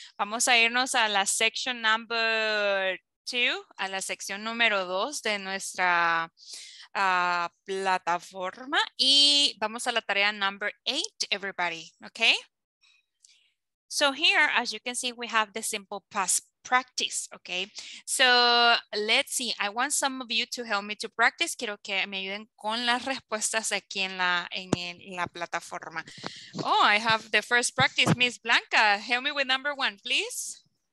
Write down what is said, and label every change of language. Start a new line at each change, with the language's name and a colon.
Spanish: Vamos a irnos a la
English: section number 2,
Spanish: a la sección número 2 de nuestra plataforma. Y vamos a la tarea
English: number 8, everybody, okay? So here, as you can see, we have the simple past practice, okay? So, let's see. I want some of you to help me to practice.
Spanish: Quiero que me ayuden con las respuestas aquí en la plataforma.
English: Oh, I have the first practice. Miss Blanca, help me with number one, please.